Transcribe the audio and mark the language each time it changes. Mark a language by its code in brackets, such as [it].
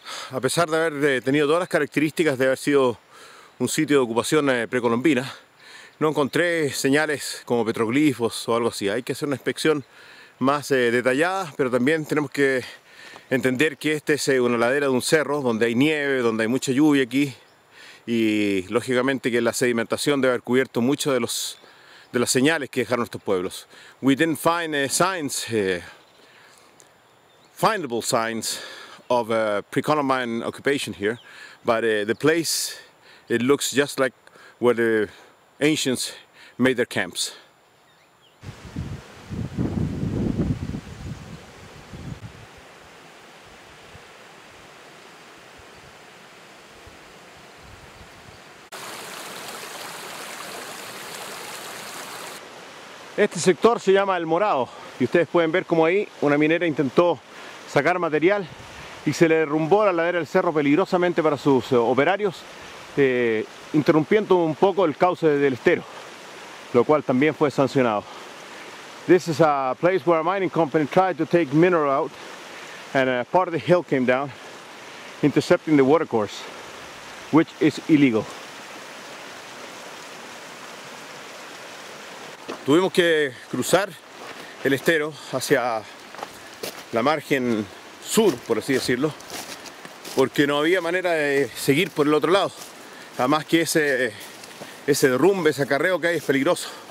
[es] A pesar de haber tenido todas las características de haber sido un sitio de ocupación precolombina, no encontré señales como petroglifos o algo así. Hay que hacer una inspección más detallada, pero también tenemos que entender que esta es una ladera de un cerro donde hay nieve, donde hay mucha lluvia aquí, y lógicamente que la sedimentación debe haber cubierto muchos de los de las señales que dejaron estos pueblos. [en] We didn't find signs, findable signs of pre-Columbian occupation here, but the place, it looks just like where the ancients made their camps. [es] Este sector se llama El Morado y ustedes pueden ver cómo ahí una minera intentó sacar material y se le derrumbó a la ladera del cerro peligrosamente para sus operarios, interrumpiendo un poco el cauce del estero, lo cual también fue sancionado. [en] This is a place where a mining company tried to take mineral out and a part of the hill came down, intercepting the water course, which is illegal. [es] Tuvimos que cruzar el estero hacia la margen sur, por así decirlo, porque no había manera de seguir por el otro lado. Además que ese derrumbe, ese acarreo que hay es peligroso.